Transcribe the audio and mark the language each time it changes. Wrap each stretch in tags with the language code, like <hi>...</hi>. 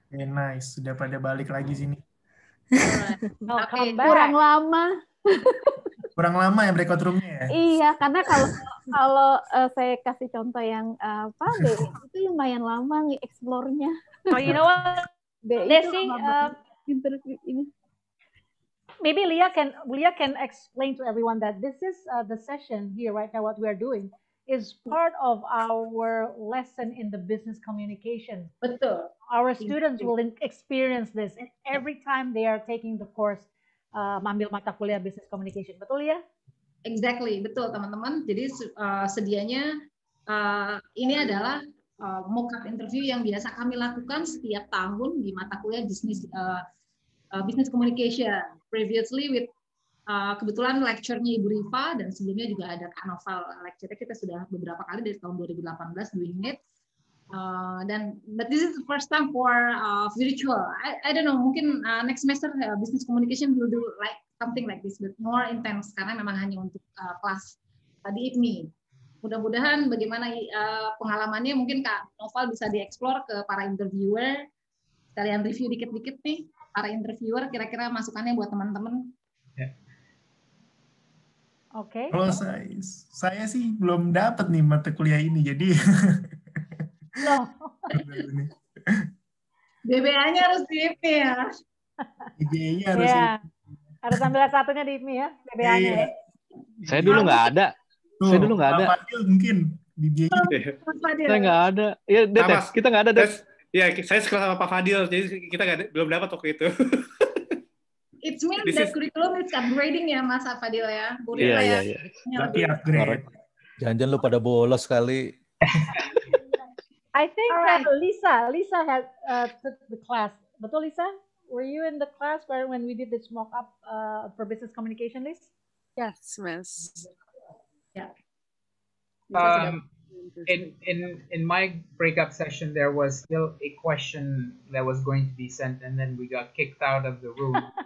<id>Okay, nice, sudah pada balik lagi sini. Oh, okay, kurang lama. Kurang lama ya breakout room-nya ya? Iya, karena kalau saya kasih contoh yang apa, itu lumayan lama nge-explore-nya.</id> <en>Oh, you know what?</en> <id>Desi, ini.</id> <en>Maybe Lia can explain to everyone that this is the session here right now, what we are doing, is part of our lesson in the business communication.</en> <id>Betul.</id> <en>Our students will experience this every time they are taking the course,</en> <id>mengambil mata kuliah</id> <en>business communication.</en> <id>Betul ya?</id> <en>Exactly,</en> <id>betul teman-teman. Jadi sedianya ini adalah mock-up interview yang biasa kami lakukan setiap tahun di mata kuliah business communication.</id> <en>Previously with</en> <id>kebetulan lecture-nya Ibu Riva dan sebelumnya juga ada Kak Noval lecture-nya, kita sudah beberapa kali dari tahun 2018</id> <en>doing it. But this is the first time for virtual. I don't know,</en> <id>mungkin</id> <en>next semester business communication will do like something like this, but more intense</en> <id>karena memang hanya untuk kelas di IPMI. Mudah-mudahan bagaimana pengalamannya mungkin Kak Noval bisa dieksplor ke para interviewer. Kalian review dikit-dikit nih, para interviewer kira-kira masukannya buat teman-teman. Oke. Okay. Kalau saya sih belum dapat nih mata kuliah ini, jadi. Loh. DBA-nya harus di IPMI ya. DBA-nya harus. Iya. Harus ambil satunya di IPMI ya, DBA-nya. Iya. Saya dulu nggak ada. Tuh, saya dulu nggak ada. Fadil mungkin di DBA. Saya nggak ada. Iya, Detes. Nah, kita nggak ada, Des. Iya, saya sekolah sama Pak Fadil, jadi kita belum dapat waktu itu.</id> <en>It means that curriculum is upgrading ya Mas Fadil ya.</en> <id>Iya, iya. Berarti upgrade. Jangan-jangan lu pada bolos sekali.</id> <en>I think that Lisa, Lisa had took the class.</en> <id>Betul Lisa?</id> <en>Were you in the class where when we did this mock up for business communication, Liz? Yes, Miss. Yeah. In my breakup session, there was still a question that was going to be sent, and then we got kicked out of the room.</en>